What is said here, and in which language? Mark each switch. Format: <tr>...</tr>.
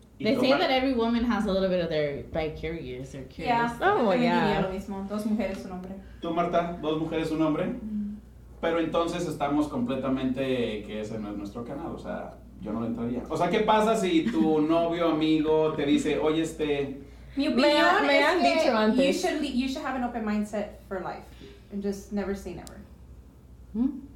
<en>They say that every woman has a little bit of their bicurious or curious. Yeah. Oh,</en> <es>yeah. Lo mismo. Dos mujeres, un hombre. Tú, Marta, dos mujeres, un hombre. Pero entonces estamos completamente que ese no es nuestro canal. O sea, yo no le entraría. O sea, ¿qué pasa si tu novio, amigo, te dice, oye, mi opinión me han dicho antes.</es> <en>You should have an open mindset for life and just never say never.</en>